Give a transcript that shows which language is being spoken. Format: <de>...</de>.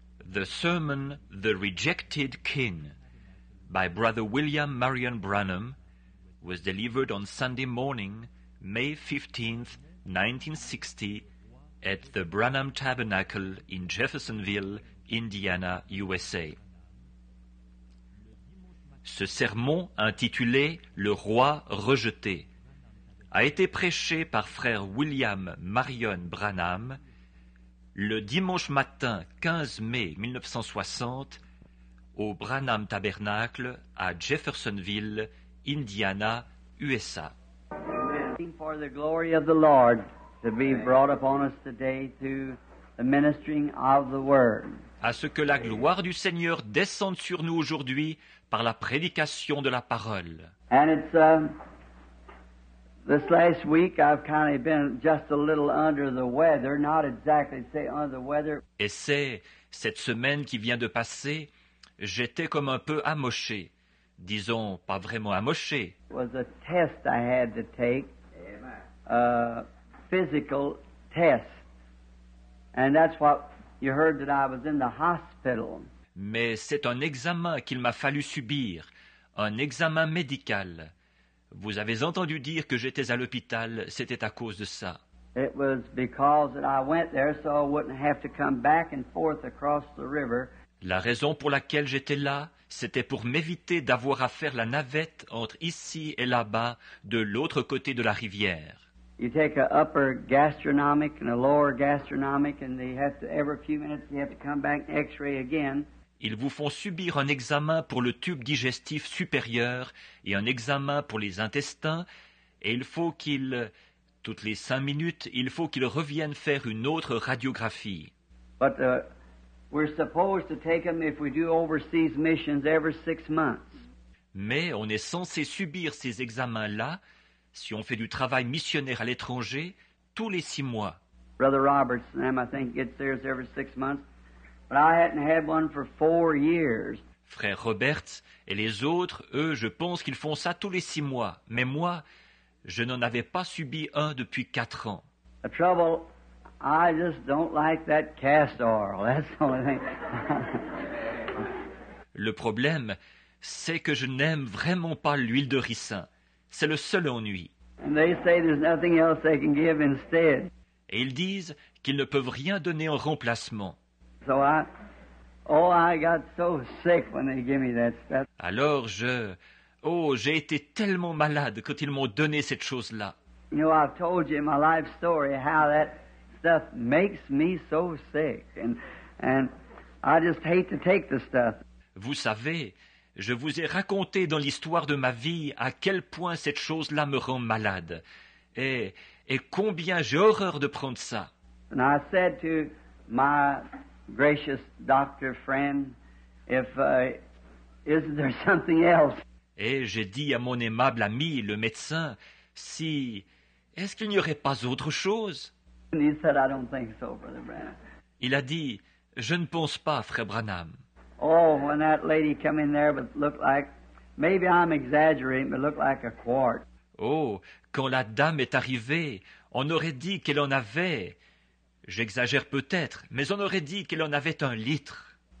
<en>The Sermon, The Rejected King, by Brother William Marion Branham, was delivered on Sunday morning, May 15, 1960, at the Branham Tabernacle in Jeffersonville, Indiana, USA.</en> <fr>Ce sermon, intitulé « Le roi rejeté », a été prêché par frère William Marion Branham le dimanche matin 15 mai 1960 au Branham Tabernacle à Jeffersonville, Indiana, USA.</fr> <en>For the glory of the Lord to be brought upon us today through the ministering of the word.</en> <fr>À ce que la gloire du Seigneur descende sur nous aujourd'hui par la prédication de la parole.</fr> <en>And it's this last week I've kind of been just a little under the weather, not exactly say under the weather.</en> <fr>Et c'est cette semaine qui vient de passer, j'étais comme un peu amoché, disons pas vraiment amoché.</fr> <en>It was a test I had to take, a physical test, and that's what you heard that I was in the hospital.</en> <fr>Mais c'est un examen qu'il m'a fallu subir, un examen médical. Vous avez entendu dire que j'étais à l'hôpital, c'était à cause de ça.</fr> <en>It was because that I went there so I wouldn't have to come back and forth across the river.</en> <fr>La raison pour laquelle j'étais là, c'était pour m'éviter d'avoir à faire la navette entre ici et là-bas, de l'autre côté de la rivière.</fr> <en>You take an upper gastronomic and a lower gastronomic and they have to, every few minutes you have to come back and x-ray again.</en> <fr>Ils vous font subir un examen pour le tube digestif supérieur et un examen pour les intestins, et il faut qu'ils, toutes les cinq minutes, il faut qu'ils reviennent faire une autre radiographie.</fr> <en>But we're supposed to take them if we do overseas missions every six months.</en> <fr>Mais on est censé subir ces examens-là si on fait du travail missionnaire à l'étranger tous les six mois.</fr> <en>Brother Roberts, I think, gets theirs every six months. But I hadn't had one for 4 years.</en> <fr>Frère Roberts et les autres, eux, je pense qu'ils font ça tous les six mois. Mais moi, je n'en avais pas subi un depuis 4 ans.</fr> <en>The trouble, I just don't like that castor oil. That's the only thing.</en> <fr>Le problème, c'est que je n'aime vraiment pas l'huile de ricin. C'est le seul ennui.</fr> <en>And they say there's nothing else they can give instead.</en> <fr>Et ils disent qu'ils ne peuvent rien donner en remplacement.</fr> <en>So I got so sick when they gave me that stuff.</en> <fr>Alors j'ai été tellement malade quand ils m'ont donné cette chose-là.</fr> <en>You know, I've told you my life story, how that stuff makes me so sick, and I just hate to take the stuff.</en> <fr>Vous savez, je vous ai raconté dans l'histoire de ma vie à quel point cette chose-là me rend malade, et combien j'ai horreur de prendre ça.</fr> <en>And I said to my gracious doctor friend, is there something else?</en> <fr>Et j'ai dit à mon aimable ami, le médecin, si, est-ce qu'il n'y aurait pas autre chose?</fr> <en>And he said, I don't think so, Brother Branham.</en> <fr>Il a dit, je ne pense pas, frère Branham.</fr> <en>Oh, when that lady came in there, but looked like, maybe I'm exaggerating, but looked like a quart.</en> <fr>Oh, quand la dame est arrivée, on aurait dit qu'elle en avait. J'exagère peut-être, mais on aurait dit qu'elle en avait un litre.</fr>